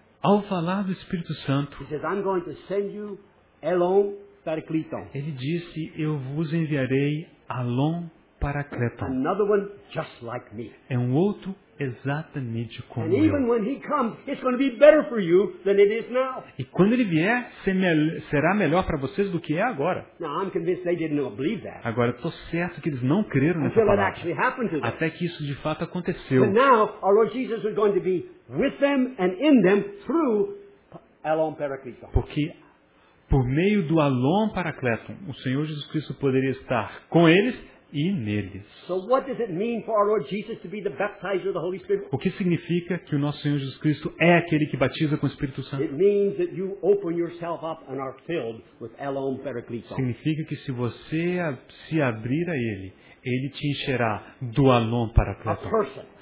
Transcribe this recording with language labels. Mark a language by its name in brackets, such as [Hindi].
[Portuguese] ao falar do Espírito Santo, [English] he says, I'm going to send you Elon. [Portuguese] Ele disse, eu vos enviarei Alon Paracleton. [English] Another one just like me. [Portuguese] É um outro exatamente como eu. [English] And even when he comes, it's going to be better for you than it is now. [Portuguese] E quando ele vier, será melhor para vocês do que é agora. [English] Now, I'm convinced they didn't believe that. [Portuguese] Agora, estou certo que eles não creram nessa palavra. [English] Until it actually happened to them. [Portuguese] Até que isso de fato aconteceu. [English] But now, our Lord Jesus is going to be with them and in them through Alon Paracleton. [Portuguese] Porque por meio do Alon Paracleton, o Senhor Jesus Cristo poderia estar com eles e neles. O que significa que o nosso Senhor Jesus Cristo é aquele que batiza com o Espírito Santo? Significa que se você se abrir a Ele, Ele te encherá do Alon Paracleton.